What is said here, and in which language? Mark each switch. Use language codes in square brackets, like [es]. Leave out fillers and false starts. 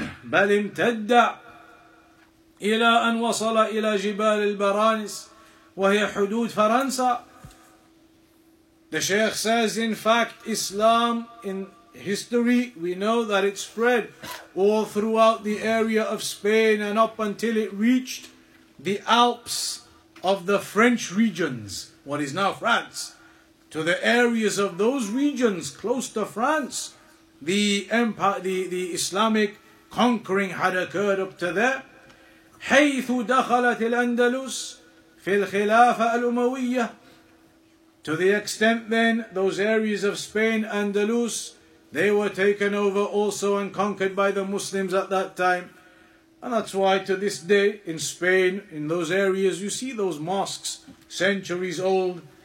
[ar] بل امتد إلى أن وصل إلى جبال البرانس وهي حدود فرنسا. [en] The Sheikh says, in fact, Islam in history, we know that it spread all throughout the area of Spain and up until it reached the Alps of the French regions, what is now France, to the areas of those regions close to France. The empire, the Islamic conquering had occurred up to there. [ar] حيث دخلت الأندلس في الخلافة الأموية. [en] To the extent then, those areas of Spain, Andalus, they were taken over also and conquered by the Muslims at that time. And that's why to this day in Spain, in those areas, you see those mosques, centuries old.